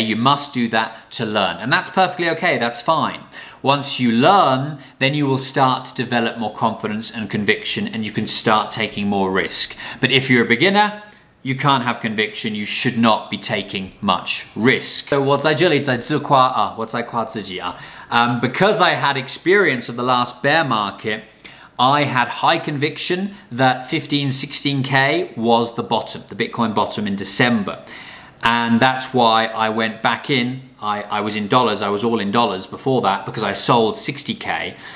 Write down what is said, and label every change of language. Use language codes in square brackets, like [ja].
[en] You must do that to learn. And that's perfectly okay, that's fine. Once you learn, then you will start to develop more confidence and conviction and you can start taking more risk. But if you're a beginner,You can't have conviction, you should not be taking much risk. [zh] So 我在这里在自夸啊，我在夸自己啊。 [en] Because I had experience of the last bear market, I had high conviction that 15, 16K was the bottom, the Bitcoin bottom in December. And that's why I went back in. I was in dollars, I was all in dollars before that because I sold 60K.